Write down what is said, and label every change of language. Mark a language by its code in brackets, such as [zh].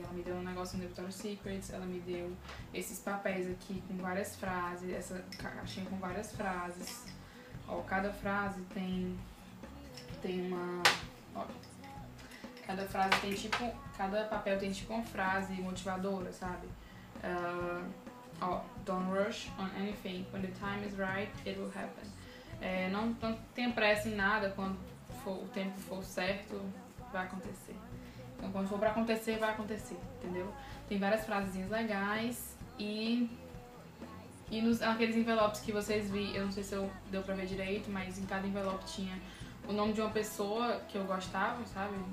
[pt] Ela me deu um negócio no Victoria's Secrets, ela me deu esses papéis aqui com várias frases, essa caixinha com várias frases. Ó, cada frase tem uma... Ó, cada frase tem tipo... Cada papel tem tipo uma frase motivadora, sabe? [en] Ó, don't rush on anything. When the time is right, it will happen. [pt] Não tenha pressa em nada. Quando for, o tempo for certo, vai acontecer. Então, quando for pra acontecer, vai acontecer, entendeu? Tem várias frasezinhas legais. E nos, aqueles envelopes que vocês viram, eu não sei se eu deu pra ver direito, mas em cada envelope tinha o nome de uma pessoa que eu gostava, sabe?